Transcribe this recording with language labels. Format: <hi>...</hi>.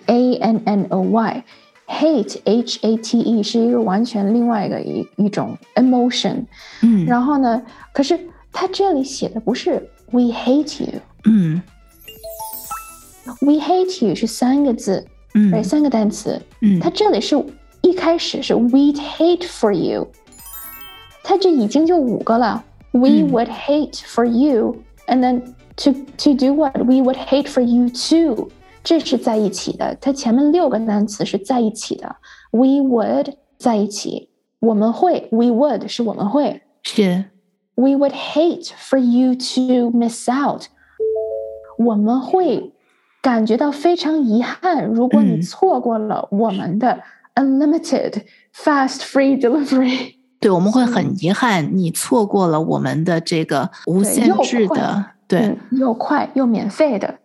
<zh>A-N-N-O-Y,Hate, H-A-T-E, 是一个完全另外一种 emotion、然后呢，可是他这里写的不是</zh> <en>We hate you、</en> <zh>We hate you 是三个字、三个单词、他这里是一开始是</zh> <en>We'd hate for you,</en> <zh>他这已经就五个了</zh> <en>We、would hate for you, and then to do what? We would hate for you too,</en> <zh>这是在一起的，它前面六个单词是在一起的。</zh> <en>We would</en> <zh>在一起，我们会 ，</zh> <en>we would</en> <zh>是我们会。是。</zh> <en>We would hate for you to miss out。</en> <zh>我们会感觉到非常遗憾，如果你错过了我们的</zh> <en>unlimited fast free delivery。</en> <zh>对，我们会很遗憾，你错过了我们的这个无限制的。对，又快又免费的</zh>